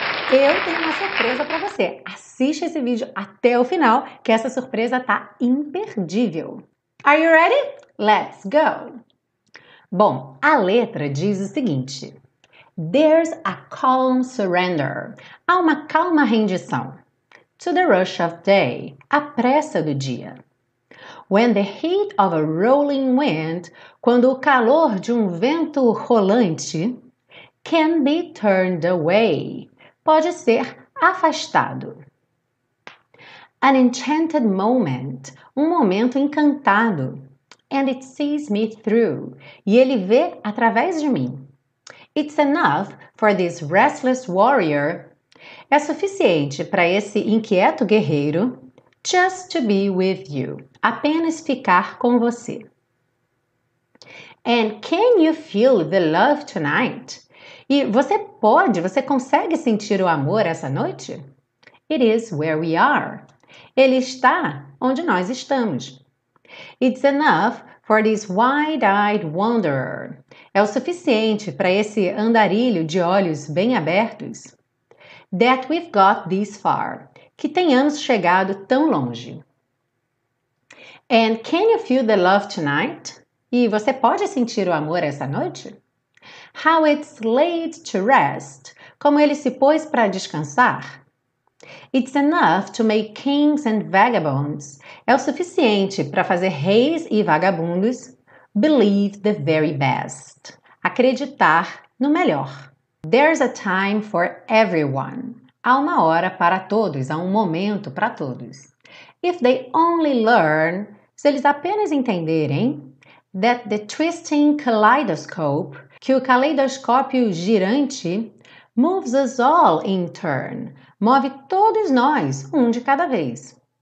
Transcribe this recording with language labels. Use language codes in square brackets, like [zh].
[pt] Eu tenho uma surpresa para você. Assiste esse vídeo até o final, que essa surpresa tá imperdível. [en] Are you ready? Let's go! [pt] Bom, a letra diz o seguinte. [en] There's a calm surrender. [pt] Há uma calma rendição. [en] To the rush of day. [pt] A pressa do dia. [en] When the heat of a rolling wind, [pt] quando o calor de um vento rolante, [en] can be turned away. [pt] Pode ser afastado. [en] An enchanted moment. [pt] Um momento encantado. [en] And it sees me through. [pt] E ele vê através de mim. [en] It's enough for this restless warrior. [pt] É suficiente para esse inquieto guerreiro. [en] Just to be with you. [pt] Apenas ficar com você. [en] And can you feel the love tonight? [pt] E você pode, você consegue sentir o amor essa noite? [en] It is where we are. [pt] Ele está onde nós estamos. [en] It's enough for this wide-eyed wanderer. [pt] É o suficiente para esse andarilho de olhos bem abertos. [en] That we've got this far. [pt] Que tenhamos chegado tão longe. [en] And can you feel the love tonight? [pt] E você pode sentir o amor essa noite? [en] How it's laid to rest. [pt] Como ele se pôs para descansar. [en] It's enough to make kings and vagabonds. [pt] É o suficiente para fazer reis e vagabundos [en] believe the very best. [pt] Acreditar no melhor. [en] There's a time for everyone. [pt] Há uma hora para todos, há um momento para todos. [en] If they only learn, [pt] se eles apenas entenderem, [en] that the twisting kaleidoscope, [pt] que o caleidoscópio girante, [en] moves us all in turn, [pt] move todos nós, um de cada vez.